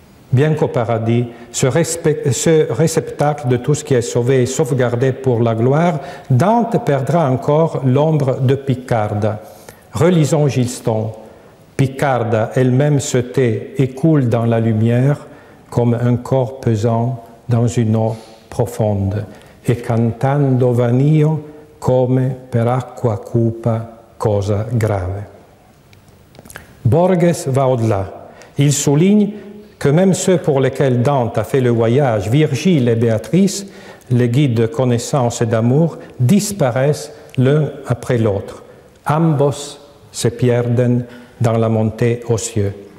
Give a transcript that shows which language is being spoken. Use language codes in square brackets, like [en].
[fr] Bien qu'au paradis, ce réceptacle de tout ce qui est sauvé et sauvegardé pour la gloire, Dante perdra encore l'ombre de Picarda. Relisons Gilson. Picarda elle-même se tait et coule dans la lumière comme un corps pesant dans une eau profonde. [it] Et cantando vanio come per acqua cupa cosa grave. [fr] Borges va au-delà. Il souligne que même ceux pour lesquels Dante a fait le voyage, Virgile et Béatrice, les guides de connaissance et d'amour, disparaissent l'un après l'autre. [es] Ambos se pierden [fr] dans la montée aux cieux.